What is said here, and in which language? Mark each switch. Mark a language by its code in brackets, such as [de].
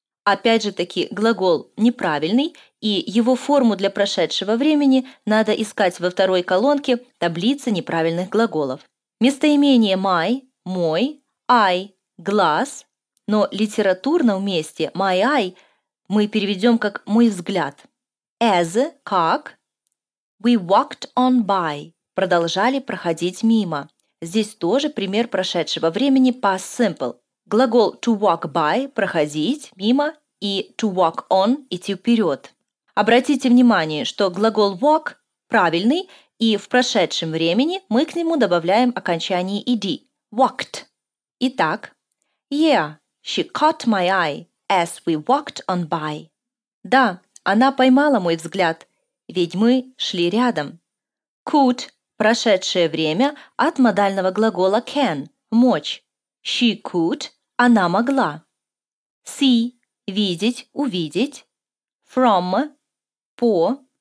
[ru] Опять же таки, глагол неправильный, и его форму для прошедшего времени надо искать во второй колонке таблицы неправильных глаголов. Местоимение my – мой, I – глаз, но литературно вместе [en] my eye [ru] мы переведем как «мой взгляд». [en] As, [ru] как, [en] we walked on by, [ru] продолжали проходить мимо. Здесь тоже пример прошедшего времени past simple. Глагол to walk by, проходить, мимо, и to walk on, идти вперед. Обратите внимание, что глагол walk правильный, и в прошедшем времени мы к нему добавляем окончание ed, walked. Итак, [en] yeah, she caught my eye as we walked on by. [ru] Да. Она поймала мой взгляд, ведь мы шли рядом. Could – прошедшее время от модального глагола can – мочь. [en] She could [ru] – она могла. See – видеть, увидеть. From – по.